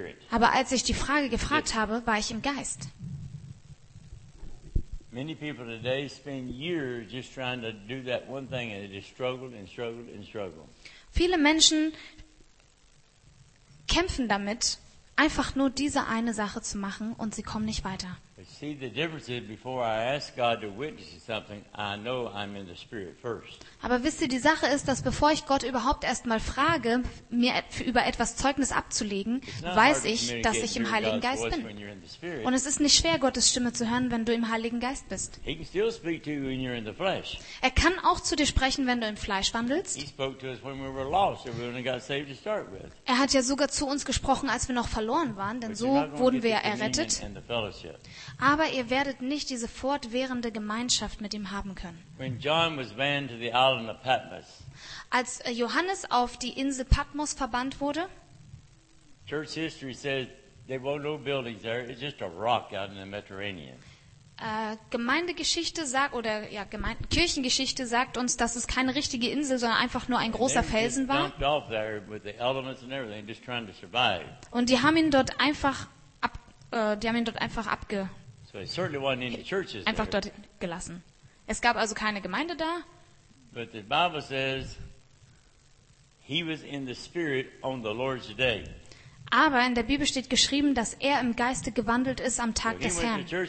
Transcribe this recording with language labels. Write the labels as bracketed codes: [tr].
[de] Aber als ich die Frage gefragt habe, war ich im Geist. [en] Many people today spend years just trying to do that one thing and they just struggle and struggle and struggle. [de] Viele Menschen kämpfen damit, einfach nur diese eine Sache zu machen, und sie kommen nicht weiter. [en] But see, the difference is before I ask God to witness something, I know I'm in the spirit first. [de] Aber wisst ihr, die Sache ist, dass bevor ich Gott überhaupt erstmal frage, mir über etwas Zeugnis abzulegen, weiß ich, dass ich im Heiligen Geist bin. Und es ist nicht schwer, Gottes Stimme zu hören, wenn du im Heiligen Geist bist. [en] He can still speak to you when you're in the flesh. [de] Er kann auch zu dir sprechen, wenn du im Fleisch wandelst. [en] He spoke to us when we were lost, or when we got saved to start with. [de] Er hat ja sogar zu uns gesprochen, als wir noch verloren waren, denn so wurden wir errettet. Aber ihr werdet nicht diese fortwährende Gemeinschaft mit ihm haben können. [en] When John was banned to the island of Patmos, [de] als Johannes auf die Insel Patmos verbannt wurde, [en] Church history says there were no buildings there. It's just a rock out in the Mediterranean. [de] Gemeindegeschichte sagt, oder ja, Kirchengeschichte sagt uns, dass es keine richtige Insel, sondern einfach nur ein großer Felsen war. Und die haben ihn dort einfach einfach dort gelassen. Es gab also keine Gemeinde da. [en] But the Bible says he was in the spirit on the Lord's day. [de] Aber in der Bibel steht geschrieben, dass er im Geiste gewandelt ist am Tag des Herrn.